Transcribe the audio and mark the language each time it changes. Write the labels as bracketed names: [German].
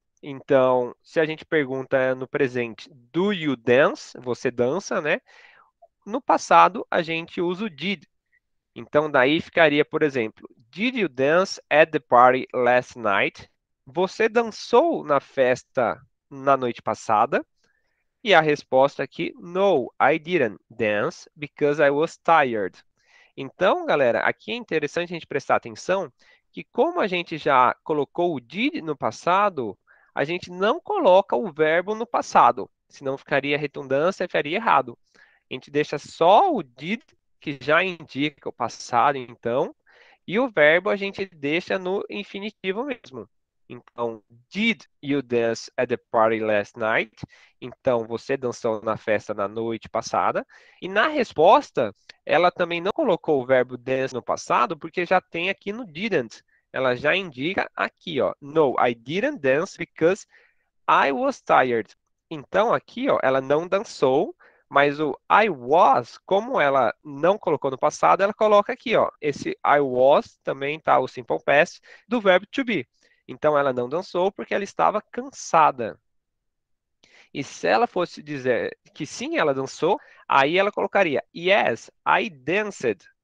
[Portuguese] Então, se a gente pergunta no presente, [English] do you dance? [Portuguese] Você dança, né? No passado, a gente usa o did. Então, daí ficaria, por exemplo, [English] did you dance at the party last night? [Portuguese] Você dançou na festa na noite passada? E a resposta aqui, [English] no, I didn't dance because I was tired. [Portuguese] Então, galera, aqui é interessante a gente prestar atenção que como a gente já colocou o did no passado, a gente não coloca o verbo no passado, senão ficaria redundância e ficaria errado. A gente deixa só o did, que já indica o passado, então, e o verbo a gente deixa no infinitivo mesmo. [English] Então, did you dance at the party last night? [Portuguese] Então, você dançou na festa na noite passada. E na resposta, ela também não colocou o verbo dance no passado, porque já tem aqui no didn't. Ela já indica aqui, ó. [English] No, I didn't dance because I was tired. [Portuguese] Então, aqui, ó, ela não dançou, mas o I was, como ela não colocou no passado, ela coloca aqui, ó. Esse I was também tá o simple past do verbo to be. Então, ela não dançou porque ela estava cansada. E se ela fosse dizer que sim, ela dançou, aí ela colocaria [English] Yes, I danced.